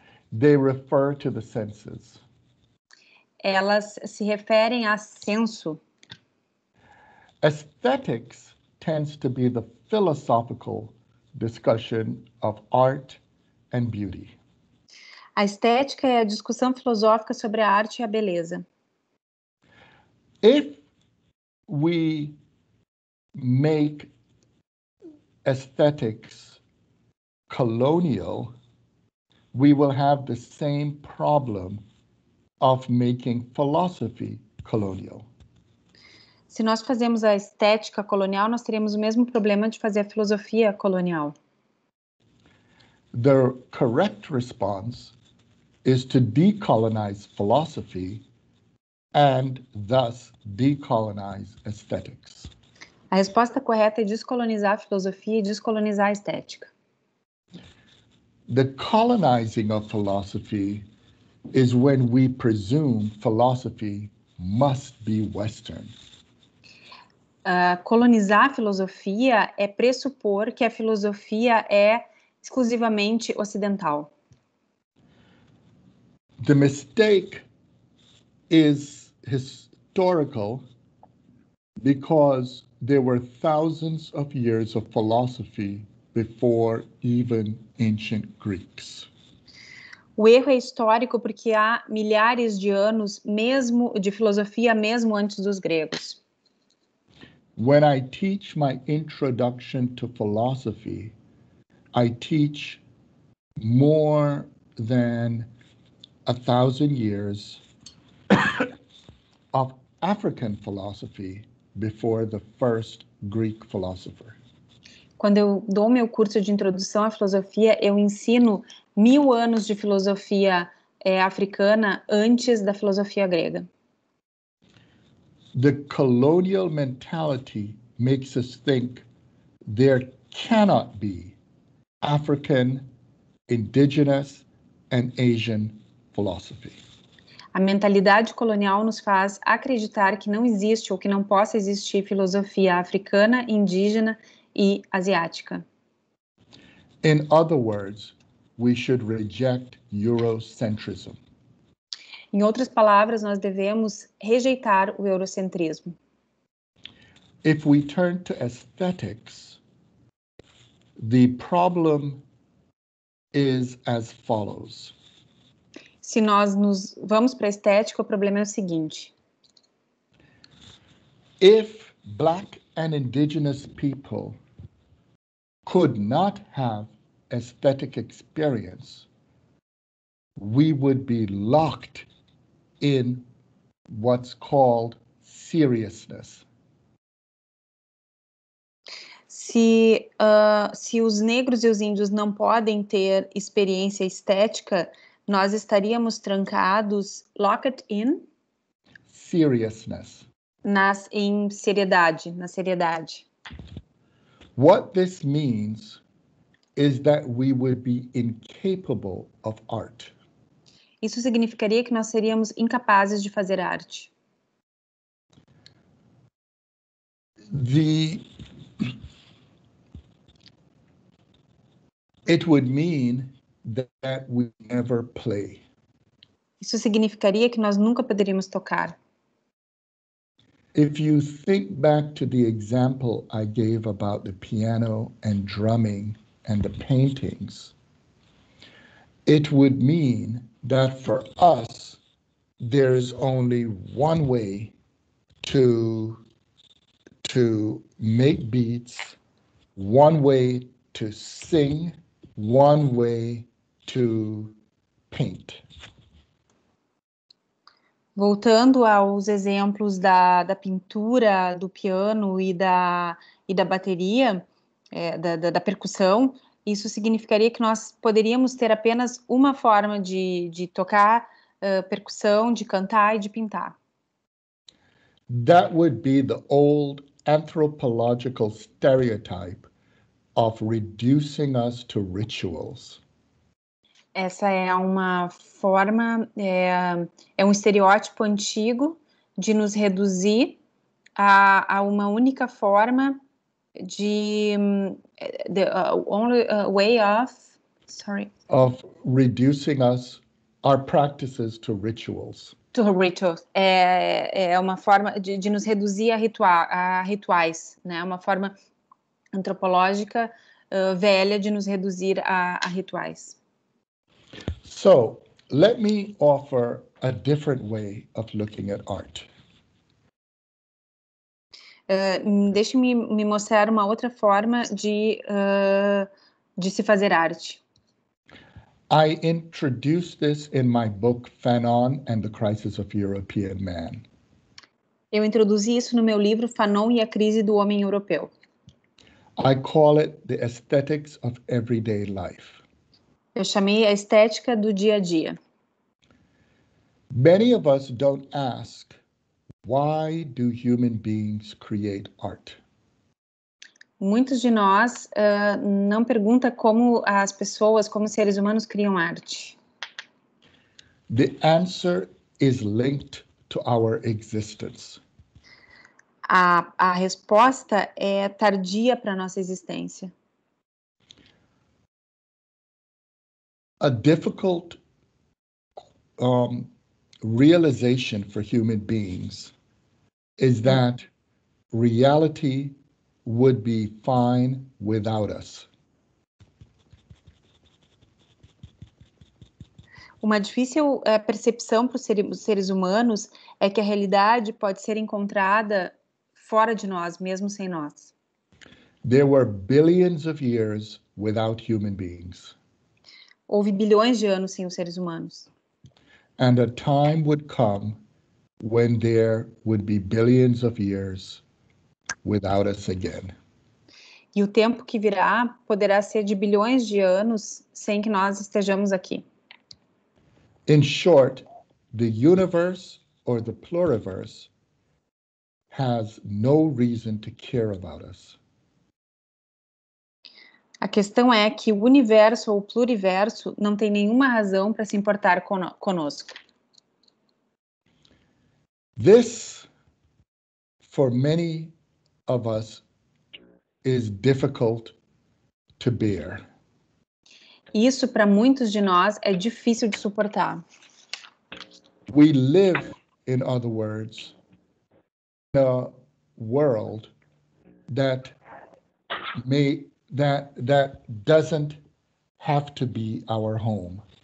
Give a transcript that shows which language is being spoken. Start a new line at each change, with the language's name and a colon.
English: They refer to the senses.
Portuguese: Elas se referem a senso.
English: Aesthetics tends to be the philosophical discussion of art and beauty.
Portuguese: A estética é a discussão filosófica sobre a arte e a beleza.
English: If we make aesthetics colonial, we will have the same problem of making philosophy colonial.
Portuguese: Se nós fazemos a estética colonial, nós teremos o mesmo problema de fazer a filosofia colonial.
English: The correct response is to decolonize philosophy and thus decolonize aesthetics.
Portuguese: A resposta correta é descolonizar a filosofia e descolonizar a estética.
English: The colonizing of philosophy is when we presume philosophy must be Western.
Portuguese: Colonizar a filosofia é pressupor que a filosofia é exclusivamente ocidental.
English: The mistake is historical because there were thousands of years of philosophy before even ancient Greeks.
Portuguese: O erro é histórico porque há milhares de anos mesmo de filosofia mesmo antes dos gregos.
English: When I teach my introduction to philosophy, I teach more than 1,000 years of African philosophy before the first Greek philosopher.
Portuguese: Quando eu dou meu curso de introdução à filosofia, eu ensino 1,000 anos de filosofia africana antes da filosofia grega?
English: The colonial mentality makes us think there cannot be African, indigenous and Asian philosophy.
Portuguese: A mentalidade colonial nos faz acreditar que não existe ou que não possa existir filosofia africana, indígena e asiática.
English: In other words, we should reject Eurocentrism.
Portuguese: Em outras palavras, nós devemos rejeitar o eurocentrismo.
English: If we turn to aesthetics, the problem is as follows.
Portuguese: Se nós nos vamos para a estética, o problema é o seguinte.
English: If black and indigenous people could not have aesthetic experience, we would be locked in what's called seriousness.
Portuguese: Se os negros e os índios não podem ter experiência estética, nós estaríamos trancados,
English: locked in? Seriousness.
Portuguese: Na seriedade.
English: What this means is that we would be incapable of art.
Portuguese: Isso significaria que nós seríamos incapazes de fazer arte.
English: It would mean that we never play.
Portuguese: Isso significaria que nós nunca poderíamos tocar.
English: If you think back to the example I gave about the piano and drumming and the paintings, it would mean that for us, there is only one way to make beats, one way to sing, one way to paint.
Portuguese: Voltando aos exemplos da pintura, do piano e da bateria, da percussão, isso significaria que nós poderíamos ter apenas uma forma de tocar percussão, de cantar e de pintar.
English: That would be the old anthropological stereotype of reducing us to rituals.
Portuguese: Essa é uma forma, é um estereótipo antigo de nos reduzir a uma única forma de
English: the only way of, sorry. Of reducing us, our practices to rituals. To rituals.
Portuguese: É uma forma de nos reduzir a rituais, né? É uma forma antropológica velha de nos reduzir a rituais.
English: So, let me offer a different way of looking at art.
Portuguese: Deixe-me mostrar uma outra forma de se fazer arte.
English: I introduced this in my book Fanon and the Crisis of European Man.
Portuguese: Eu introduzi isso no meu livro Fanon e a Crise do Homem Europeu.
English: I call it the aesthetics of everyday life.
Portuguese: Eu chamei a estética do dia a dia.
English: Many of us don't ask, why do human beings create art?
Portuguese: Muitos de nós não pergunta como as pessoas, como os seres humanos criam arte.
English: The answer is linked to our existence.
Portuguese: A resposta é tardia para nossa existência.
English: A difficult realization for human beings is that reality would be fine without us.
Portuguese: Uma difícil percepção para os seres humanos é que a realidade pode ser encontrada fora de nós, mesmo sem nós.
English: There were billions of years without human beings.
Portuguese: Houve bilhões de anos sem os seres humanos.
English: And a time would come when there would be billions of years without us again.
Portuguese: E o tempo que virá poderá ser de bilhões de anos sem que nós estejamos aqui.
English: In short, the universe or the pluriverse has no reason to care about us.
Portuguese: A questão é que o universo ou o pluriverso não tem nenhuma razão para se importar conosco.
English: This, for many of us, is difficult to bear.
Portuguese: Isso, para muitos de nós, é difícil de suportar.
English: We live, in other words, in a world that may that doesn't have to be our home.